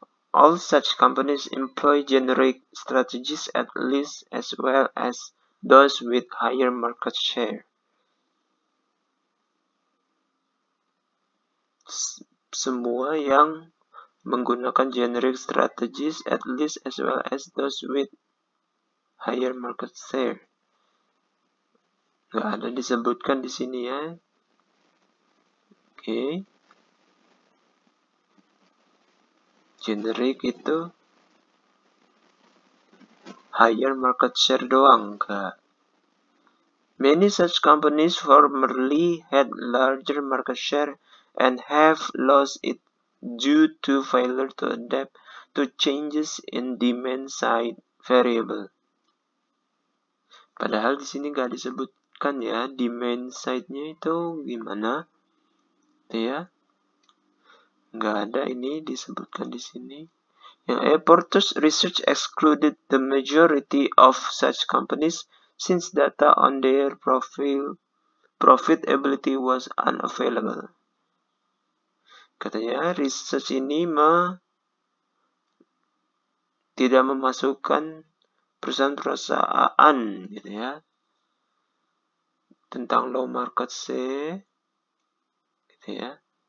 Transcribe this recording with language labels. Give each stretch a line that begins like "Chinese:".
English: All such companies employ generic strategies at least as well as those with higher market share.
Indonesian: Semua yang menggunakan
English: generic strategies at least as well as those with higher market share.
Indonesian: Enggak ada disebutkan di sini ya. Oke. Generic itu
English: higher market share
Indonesian: doang, enggak.
English: Many such companies formerly had larger market share and have lost it due to failure to adapt to changes in demand side variable.
Indonesian: Padahal di sini enggak disebutkan ya, demand side-nya itu gimana? Ya, nggak ada ini disebutkan di sini.
English: Yang Aportus Research excluded the majority of such companies since data on their profitability was unavailable.
Indonesian: Katanya research ini tidak memasukkan perusahaan-perusahaan, gitu ya, tentang
English: low market share.
Indonesian: Ya.